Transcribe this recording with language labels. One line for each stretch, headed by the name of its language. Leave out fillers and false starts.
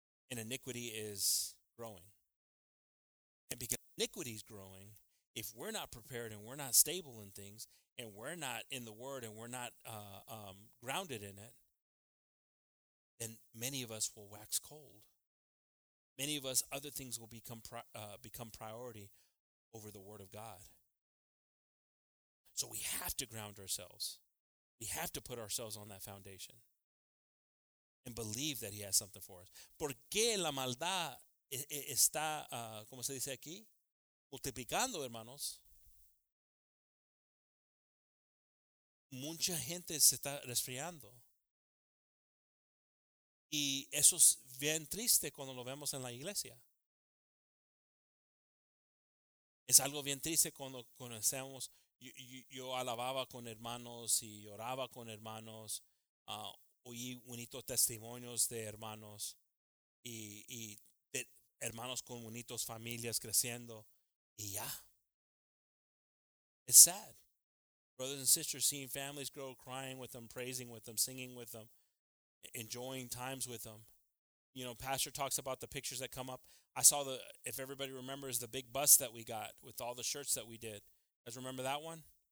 English: And iniquity is growing. And because iniquity is growing, if we're not prepared and we're not stable in things and we're not in the Word and we're not grounded in it, then many of us will wax cold. Many of us, other things will become priority over the Word of God. So we have to ground ourselves. We have to put ourselves on that foundation and believe that He has something for us.
Spanish: ¿Por qué la maldad está, como se dice aquí? Multiplicando, hermanos, mucha gente se está resfriando. Y eso es bien triste cuando lo vemos en la iglesia. Es algo bien triste cuando conocemos, yo alababa con hermanos y lloraba con hermanos, oí bonitos testimonios de hermanos y de hermanos con bonitos familias creciendo.
English: Yeah. It's sad. Brothers and sisters seeing families grow, crying with them, praising with them, singing with them, enjoying times with them. You know, pastor talks about the pictures that come up. I saw if everybody remembers, the big bus that we got with all the shirts that we did. You guys remember that one?